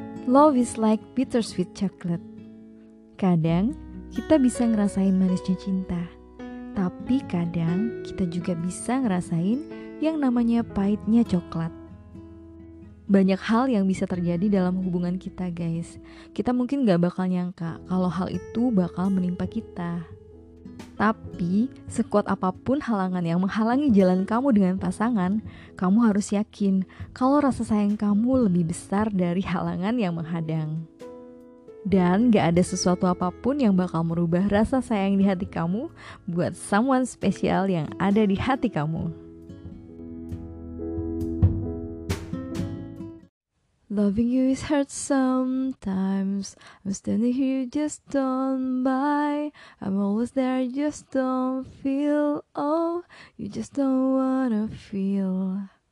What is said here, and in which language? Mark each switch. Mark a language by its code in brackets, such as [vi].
[en] Love is like bittersweet chocolate. [id] Kadang kita bisa ngerasain manisnya cinta, tapi kadang kita juga bisa ngerasain yang namanya pahitnya coklat. Banyak hal yang bisa terjadi dalam hubungan kita, guys. Kita mungkin gak bakal nyangka kalau hal itu bakal menimpa kita. Tapi, sekuat apapun halangan yang menghalangi jalan kamu dengan pasangan, kamu harus yakin kalau rasa sayang kamu lebih besar dari halangan yang menghadang. Dan gak ada sesuatu apapun yang bakal merubah rasa sayang di hati kamu buat someone spesial yang ada di hati kamu. [en] Loving you is hard sometimes. I'm standing here, you just don't buy. I'm always there, you just don't feel. Oh, you just don't wanna feel.